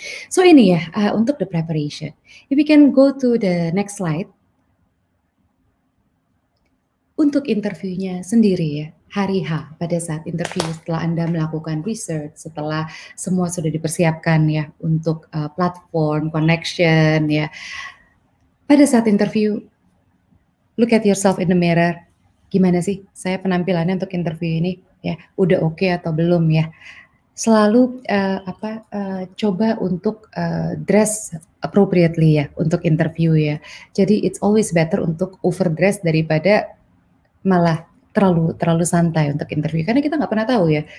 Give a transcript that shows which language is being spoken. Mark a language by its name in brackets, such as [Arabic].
[English] So ini ya, untuk the preparation. If we can go to the next slide. [Indonesian] Untuk interviewnya sendiri ya, hari H pada saat interview setelah Anda melakukan research, setelah semua sudah dipersiapkan ya untuk platform, connection ya. Pada saat interview, [English] look at yourself in the mirror. [Indonesian] Gimana sih saya penampilannya untuk interview ini ya, udah oke atau belum ya. Selalu coba untuk dress appropriately ya untuk interview ya. Jadi [English] it's always better [Indonesian] untuk overdress daripada malah terlalu santai untuk interview, karena kita nggak pernah tahu ya.